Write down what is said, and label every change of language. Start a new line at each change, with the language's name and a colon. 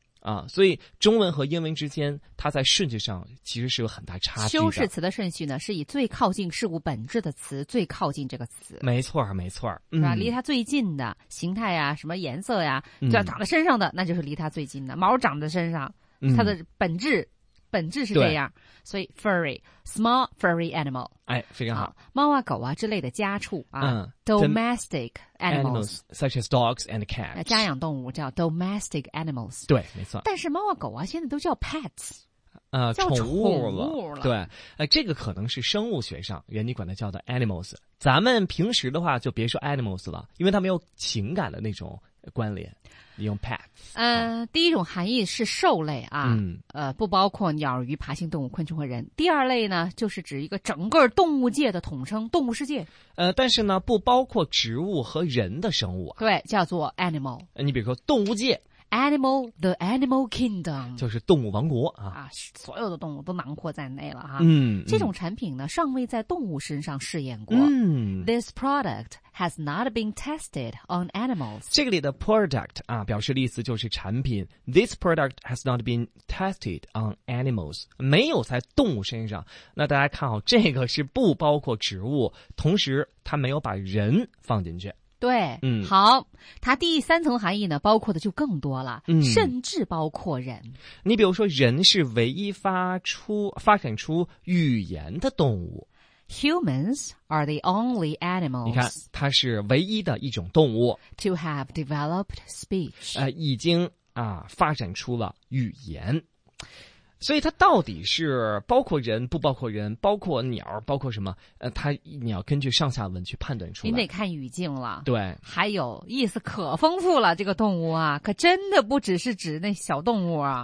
Chinese: 啊，所以中文和英文之间，它在顺序上其实是有很大差距的。修饰词的顺序呢，是以最靠近事物本质的词最靠近这个词。没错，没错，是吧？离它最近的形态呀，什么颜色呀，就要长在身上的，那就是离它最近的。毛长在身上，它的本质。本质是这样，所以
English: furry small furry animal，
Chinese: 哎，非常好。猫啊狗啊之类的家畜啊、
English: domestic animals such as dogs and cats，
Chinese: 家养动物叫
English: domestic animals，
Chinese: 对，没错。但是猫啊狗啊现在都叫 pets，叫宠物了，对，这个可能是生物学上人家管它叫的 animals， 咱们平时的话就别说 animals 了，因为它没有情感的那种关联。用 pets，第一种含义是兽类啊，嗯，不包括鸟鱼、爬行动物、昆虫和人。第二类呢，就是指一个整个动物界的统称，动物世界。但是呢，不包括植物和人的生物啊。对，叫做 animal。你比如说动物界
English: ，animal the animal kingdom，
Chinese: 就是动物王国啊。啊，所有的动物都囊括在内了哈、啊。嗯，这种产品呢，尚未在动物身上试验过。嗯
English: ，this product。 Has not been tested on animals.
Chinese: 这个里的 product 啊，表示的意思就是产品。
English: This product has not been tested on animals.
Chinese: 没有在动物身上。那大家看好，这个是不包括植物，同时它没有把人放进去。对，嗯，好，它第三层含义呢，包括的就更多了，嗯，甚至包括人。你比如说，人是唯一发展出语言的动物。
English: Humans are the only animals.
Chinese: 你看，它是唯一的一种动物。
English: To have developed speech.
Chinese: 已经啊发展出了语言，所以它到底是包括人不包括人，包括鸟包括什么？它你要根据上下文去判断出来。你得看语境了。对。还有意思可丰富了，这个动物啊，可真的不只是指那小动物啊。